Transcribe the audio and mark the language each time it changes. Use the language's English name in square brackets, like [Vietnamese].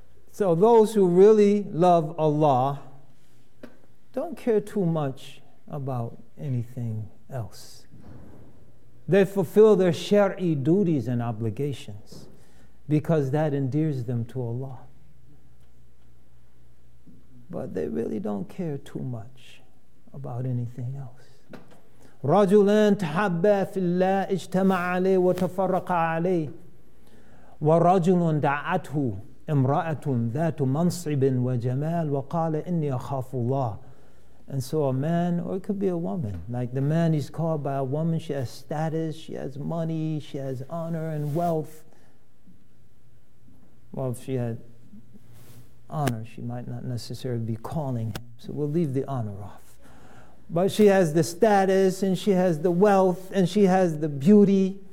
[English] So those who really love Allah don't care too much about anything else. They fulfill their shari duties and obligations because that endears them to Allah. But they really don't care too much about anything else. [Arabic] رجلان تحبا في الله اجتمع عليه وتفرق عليه ورجل دعته امرأة ذات منصب وجمال وقال إني أخاف الله. [English] And so a man, or it could be a woman, like the man is called by a woman, she has status, she has money, she has honor and wealth. Well, if she had honor, she might not necessarily be calling him. So we'll leave the honor off. But she has the status, and she has the wealth, and she has the beauty.